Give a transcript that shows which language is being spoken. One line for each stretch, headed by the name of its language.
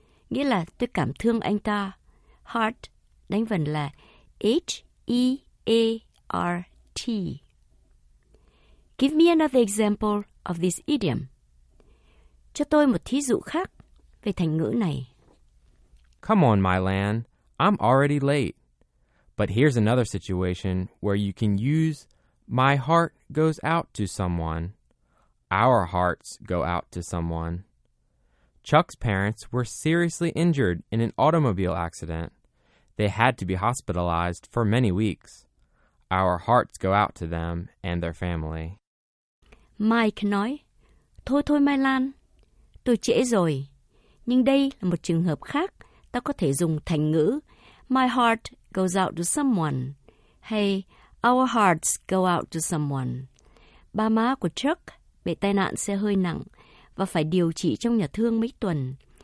Vietnamese: Nghĩa là tôi cảm thương anh ta. Heart, đánh vần là H-E-A-R-T.
English: Give me another example of this idiom.
Vietnamese: Cho tôi một thí dụ khác về thành ngữ này.
English: Come on, my Lan, I'm already late. But here's another situation where you can use my heart goes out to someone. Our hearts go out to someone. Chuck's parents were seriously injured in an automobile accident. They had to be hospitalized for many weeks. Our hearts go out to them and their family.
Vietnamese: Mike nói, Thôi, My Lan, tôi trễ rồi. Nhưng đây là một trường hợp khác ta có thể dùng thành ngữ
English: My heart goes out to someone
Vietnamese: hay
English: Our hearts go out to someone.
Vietnamese: Ba má của Chuck bị tai nạn xe hơi nặng và phải điều trị trong nhà thương mấy tuần.